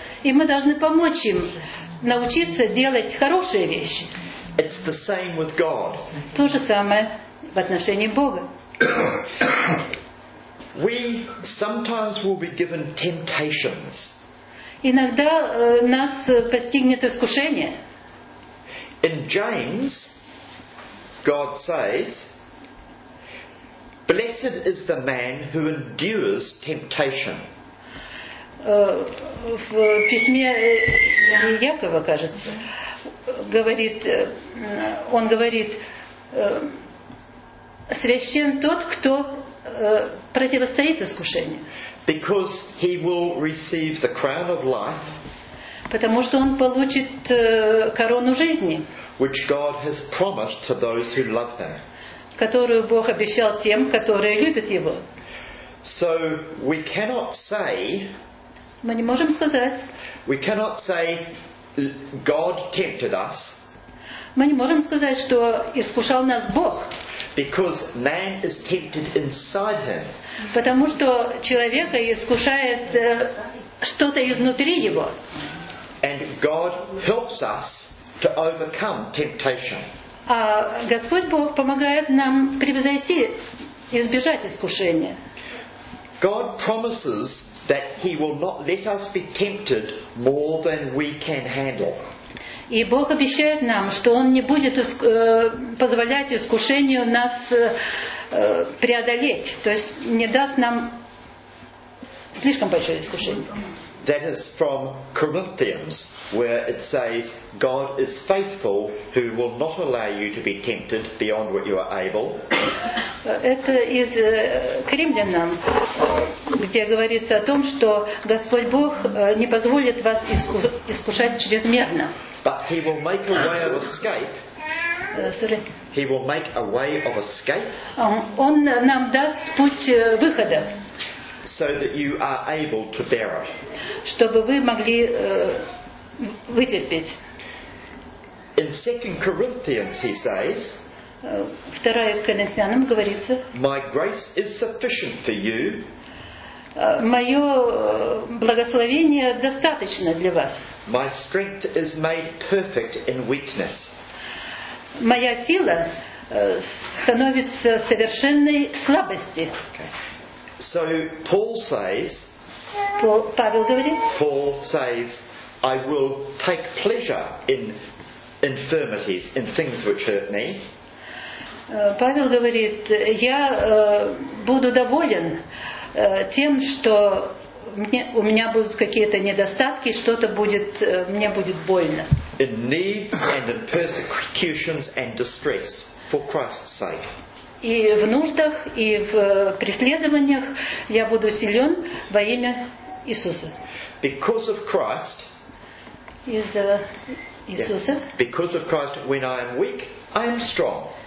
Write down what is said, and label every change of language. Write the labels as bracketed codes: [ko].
[ru] И мы должны помочь им научиться делать хорошие вещи. [en] It's the same with God. [ru] То же самое в отношении Бога. [en] We sometimes will be given temptations. [ru] Иногда нас постигнет искушение. [en] In James, God says, Blessed is the man who endures temptation. [ru] В письме Якова, кажется, говорит, он говорит, священ тот, кто противостоит искушению. [en] Because he will receive the crown of life. [ru] Потому что он получит корону жизни. [en] Which God has promised to those who love him. [ru] Которую Бог обещал тем, которые любят Его. [en] So we cannot say, [ru] мы не можем сказать, [en] we cannot say, God tempted us, [ru] мы не можем сказать, что искушал нас Бог, [en] because man is tempted inside him. [ru] Потому что человека искушает что-то изнутри его. [en] And God helps us to overcome temptation. [ru] А Господь Бог помогает нам превзойти, избежать искушения. [en] God promises that He will not let us be tempted more than we can handle. [ru] И Бог обещает нам, что Он не будет позволять искушению нас преодолеть, то есть не даст нам слишком большое искушение. [en] That is from Corinthians, where it says, God is faithful, who will not allow you to be tempted beyond what you are able. [ru] Это из Коринфянам, где говорится о том, что Господь Бог не позволит вас искушать чрезмерно. [en] But He will make a way of escape. He will make a way of escape. [ru] Он нам даст путь выхода. [en] So that you are able to bear it. [ru] Чтобы вы могли вытерпеть. [en] In 2 Corinthians he says, [ru] 2 Коринфянам говорится, [en] My grace is sufficient for you. [ru] Мое благословение достаточно для вас. [en] My strength is made perfect in weakness. [ru] Моя сила становится совершенной в слабости. [en] So Paul says, [ru] Павел говорит, [en] Paul says, I will take pleasure in infirmities, in things which hurt me. [ru] Павел говорит, я буду доволен тем, что у меня будут какие-то недостатки, что-то будет, мне будет больно. [en] In needs and in persecutions and distress for Christ's sake. [ru] И в нуждах, и в преследованиях я буду силен во имя Иисуса. [en] Because of Christ. [ru] Из-за Иисуса. [en] Yeah. Because of Christ, when I am weak, I am strong.